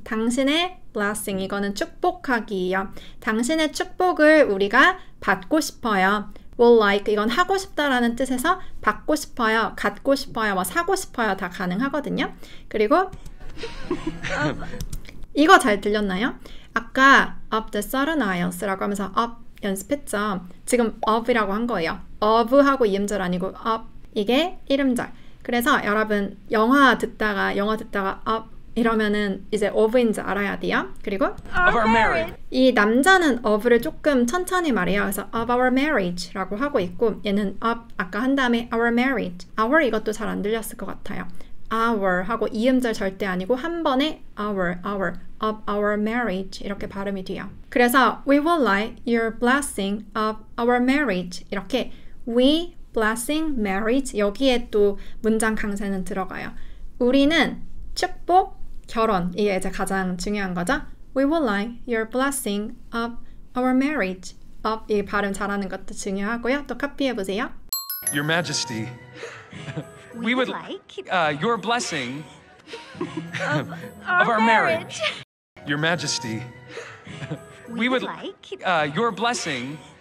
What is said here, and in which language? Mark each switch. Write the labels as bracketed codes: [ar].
[ko] 당신의 blessing 이거는 축복하기예요. 당신의 축복을 우리가 받고 싶어요. [en] Would like [ko] 이건 하고 싶다라는 뜻에서 받고 싶어요, 갖고 싶어요, 뭐 사고 싶어요 다 가능하거든요. 그리고 이거 잘 들렸나요? 아까 [en] of the Southern Isles [ko] 라고 하면서 of 연습했죠. 지금 of이라고 한 거예요. of하고 이음절 아니고 of 이게 이음절. 그래서 여러분 영화 듣다가 of 이러면은 이제 of인지 알아야 돼요. 그리고 [en] of our marriage. [ko] 이 남자는 of를 조금 천천히 말해요. 그래서 [en] of our marriage [ko] 라고 하고 있고 얘는 of 아까 한 다음에 our marriage. our 이것도 잘 안 들렸을 것 같아요. our 하고 이음절 절대 아니고 한 번에 our [en] of our marriage [ko] 이렇게 발음이 돼요. 그래서 [en] we would like your blessing of our marriage [ko] 이렇게 we blessing marriage 여기에 또 문장 강세는 들어가요. 우리는 축복, 결혼 이게 이제 가장 중요한 거죠. [en] We would like your blessing of our marriage. [ko] of 이 발음 잘하는 것도 중요하고요. 또 카피해 보세요. [en] Your Majesty, we would like your blessing of our marriage. Your Majesty, we would like your blessing